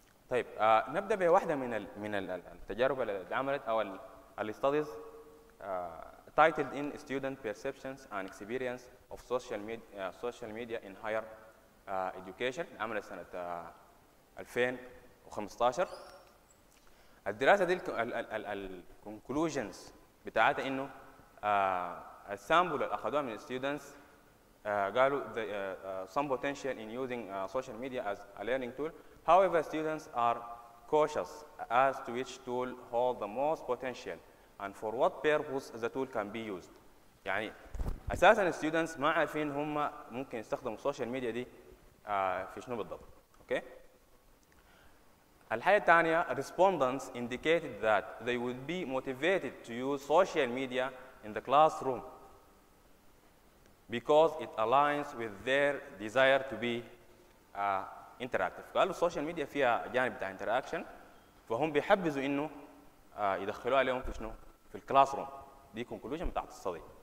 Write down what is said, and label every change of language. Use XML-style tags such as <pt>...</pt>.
<ar>طيب نبدا بواحده من التجارب اللي اتعملت او الاستاديز</ar> <en>titled in student perceptions and experience of social media in higher education</en> <ar>عملت سنه 2015. الدراسه دي الكونكلوجنز بتاعتها انه السامبل اللي اخذوها من ستودنتس قالوا</ar> <en>some potential in using social media as a learning tool. However, students are cautious as to which tool holds the most potential and for what purpose the tool can be used.</en> <ar>يعني اساسا students ما عارفين هم ممكن يستخدموا السوشيال ميديا دي في شنو بالضبط. اوكي؟ الحاجه الثانيه</ar> <en>respondents indicated that they would be motivated to use social media in the classroom. because it aligns with their desire to be interactive.</en> <ar>قالوا السوشيال ميديا فيها جانب بتاع interaction فهم بيحبذوا انه يدخلوها لهم في شنو؟ في الكلاس روم. دي conclusion بتاعت الصديق.</ar>